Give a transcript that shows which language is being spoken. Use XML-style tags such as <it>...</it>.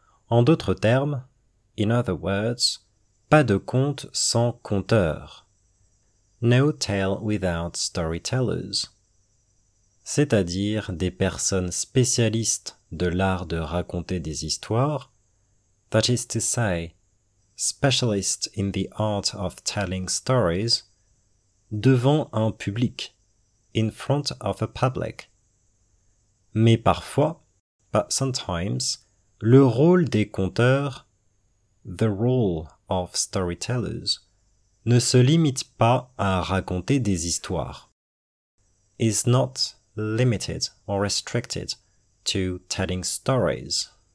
<fr>En d'autres termes,</fr> <en>in other words,</en> <fr>pas de conte sans conteur.</fr> <en>No tale without storytellers.</en> <fr>C'est-à-dire des personnes spécialistes de l'art de raconter des histoires.</fr> <en>That is to say, specialist in the art of telling stories,</en> <fr>devant un public,</fr> <en>in front of a public.</en> <fr>Mais parfois,</fr> <en>but sometimes,</en> <fr>le rôle des conteurs,</fr> <en>the role of storytellers,</en> <fr>ne se limite pas à raconter des histoires,</fr> <en>is not limited or restricted to telling stories.</en>